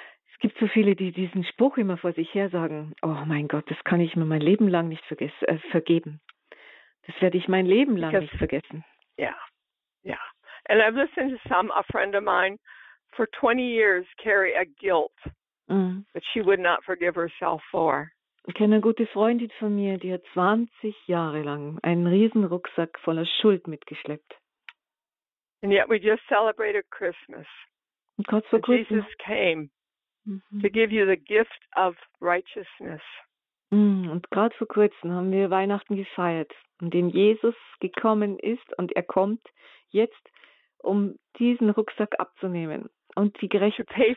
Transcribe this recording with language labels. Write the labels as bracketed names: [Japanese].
[German] Es gibt so viele, die diesen Spruch immer vor sich her sagen, oh mein Gott, das kann ich mir mein Leben lang nicht vergeben. Das werde ich mein Leben lang nicht vergessen. [English] Yeah. And I've listened to a friend of mine for 20 years carry a guilt that she would not forgive herself for. [German] Ich kenne eine gute Freundin von mir, die hat 20 Jahre lang einen riesen Rucksack voller Schuld mitgeschleppt. [English] And yet we just celebrated Christmas. [German] Und kurz vor Christmas. [English] Jesus came to give you the gift of righteousness. [German] Und gerade vor kurzem haben wir Weihnachten gefeiert, in dem Jesus gekommen ist und er kommt jetzt, um diesen Rucksack abzunehmen und die Gerechtigung zu